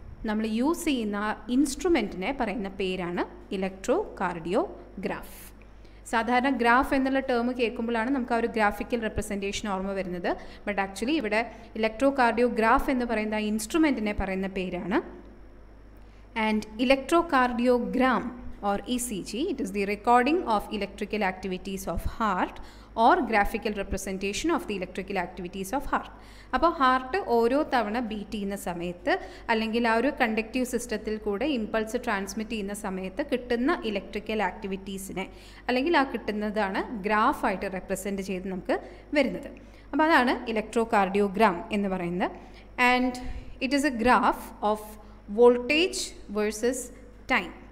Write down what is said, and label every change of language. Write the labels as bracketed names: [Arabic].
[Malayalam] നമ്മൾ യൂസ് ചെയ്യുന്ന ഇൻസ്ട്രുമെൻറ്റിനെ പറയുന്ന പേരാണ് ഇലക്ട്രോ കാർഡിയോഗ്രാഫ്. സാധാരണ ഗ്രാഫ് എന്നുള്ള ടേം കേൾക്കുമ്പോഴാണ് നമുക്ക് ആ ഒരു ഗ്രാഫിക്കൽ റെപ്രസെൻറ്റേഷൻ ഓർമ്മ വരുന്നത്, ബട്ട് ആക്ച്വലി ഇവിടെ ഇലക്ട്രോ കാർഡിയോഗ്രാഫ് എന്ന് പറയുന്ന ആ ഇൻസ്ട്രുമെൻറ്റിനെ പറയുന്ന പേരാണ്. [English] And electrocardiogram or ECG, it is the recording of electrical activities of heart or graphical representation of the electrical activities of heart. [Malayalam] അപ്പോൾ ഹാർട്ട് ഓരോ തവണ ബീറ്റ് ചെയ്യുന്ന സമയത്ത് അല്ലെങ്കിൽ ആ ഒരു കണ്ടക്റ്റീവ് സിസ്റ്റത്തിൽ കൂടെ ഇമ്പൾസ് ട്രാൻസ്മിറ്റ് ചെയ്യുന്ന സമയത്ത് കിട്ടുന്ന ഇലക്ട്രിക്കൽ ആക്ടിവിറ്റീസിനെ അല്ലെങ്കിൽ ആ കിട്ടുന്നതാണ് ഗ്രാഫായിട്ട് റെപ്രസെൻ്റ് ചെയ്ത് നമുക്ക് വരുന്നത്. അപ്പോൾ അതാണ് ഇലക്ട്രോ കാർഡിയോഗ്രാം എന്ന് പറയുന്നത്. [English] And it is a graph of voltage versus time.